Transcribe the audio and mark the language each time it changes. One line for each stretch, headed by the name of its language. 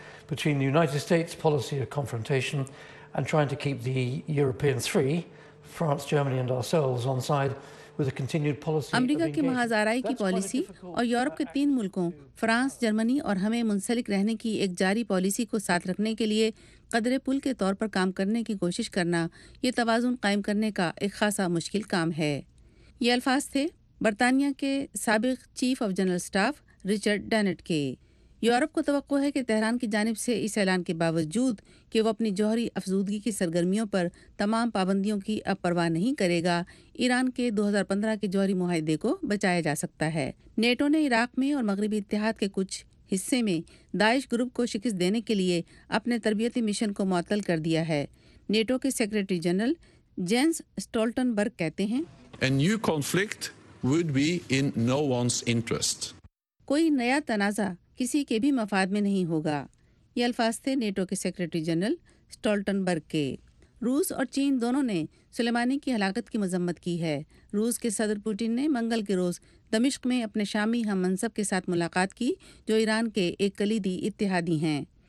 English: between the United States policy of confrontation and trying to keep the European three, France, Germany and ourselves on side with a continued policy.
Urdu: امریکہ کی محاذ آرائی کی policy اور Europe کے تین ملکوں France, Germany اور ہمیں منسلک رہنے کی ایک جاری پالیسی کو ساتھ رکھنے کے لیے قدرے پل کے طور پر کام کرنے کی کوشش کرنا, یہ توازن قائم کرنے کا ایک خاصا مشکل کام ہے. یہ الفاظ تھے برطانیہ کے سابق chief of general staff Richard dent کے. یورپ کو توقع ہے کہ تہران کی جانب سے اس اعلان کے باوجود کہ وہ اپنی جوہری افزودگی کی سرگرمیوں پر تمام پابندیوں کی اب پرواہ نہیں کرے گا, ایران کے 2015 کے جوہری معاہدے کو بچایا جا سکتا ہے. نیٹو نے عراق میں اور مغربی اتحاد کے کچھ حصے میں داعش گروپ کو شکست دینے کے لیے اپنے تربیتی مشن کو معطل کر دیا ہے. نیٹو کے سیکرٹری جنرل جینس سٹولٹن برگ کہتے ہیں,
English: A new conflict would be in no one's interest.
Urdu: کوئی نیا تنازع کسی کے بھی مفاد میں نہیں ہوگا. یہ الفاظ تھے نیٹو کے سیکرٹری جنرل سٹولٹن برگ کے. روس اور چین دونوں نے سلیمانی کی ہلاکت کی مذمت کی ہے۔ روس کے صدر پوٹن نے منگل کے روز دمشق میں اپنے شامی ہم منصب کے ساتھ ملاقات کی، جو ایران کے ایک کلیدی اتحادی ہیں۔